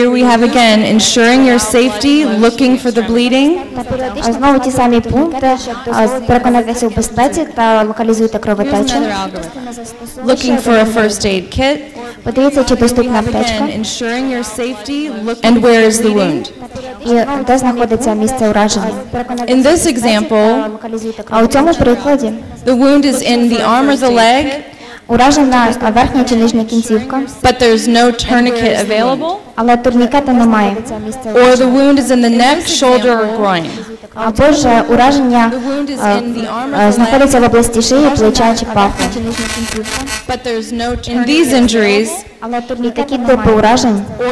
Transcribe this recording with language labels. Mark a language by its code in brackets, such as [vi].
[en] Here we have again ensuring your safety, looking for the bleeding. [uk] Знову ті самі пункти, переконатися у безпеці та локалізуйте кровотечу. [en] Looking for a first aid kit. [uk] Подивіться, чи доступна аптечка. [en] Ensuring your safety, looking for the wound. [uk] І де знаходиться місце ураження. [en] In this example, [uk] а у цьому прикладі, [en] the wound is in the arm or the leg. [uk] Уражена верхня чи нижня кінцівка. [en] But there's no tourniquet available. [uk] Але турнікета немає. [en] Or the wound is in the neck, shoulder or groin. [uk] Або ж ураження знаходиться в області шиї, плеча чи паху. [en] But there's no tourniquet. [uk] Але турнікет типу уражень.